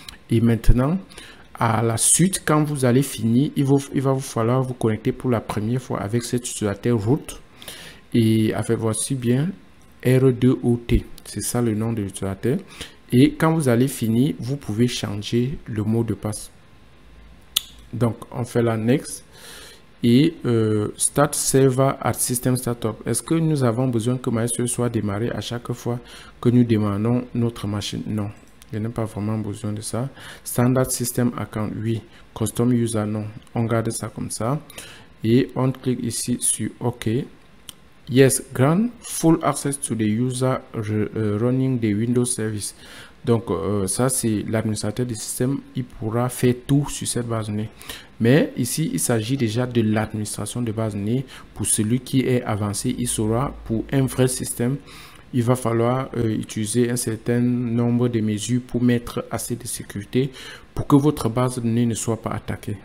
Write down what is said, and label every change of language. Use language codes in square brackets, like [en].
[fr] Et maintenant, à la suite, quand vous allez finir, il va vous falloir vous connecter pour la première fois avec cet utilisateur root. Et avec voici bien R2OT. C'est ça le nom de l'utilisateur. Et quand vous allez finir, vous pouvez changer le mot de passe. Donc, on fait la next. [en] Et start server at system startup. [fr] Est-ce que nous avons besoin que MySQL soit démarré à chaque fois que nous démarrons notre machine? Non. Je n'ai pas vraiment besoin de ça. Standard System Account, oui. Custom User, non. On garde ça comme ça. Et on clique ici sur OK. [en] Yes, grant full access to the user running the Windows Service. [fr] Donc, ça, c'est l'administrateur du système. Il pourra faire tout sur cette base de données. Mais ici, il s'agit déjà de l'administration de base de données. Pour celui qui est avancé, il saura pour un vrai système. Il va falloir utiliser un certain nombre de mesures pour mettre assez de sécurité pour que votre base de données ne soit pas attaquée.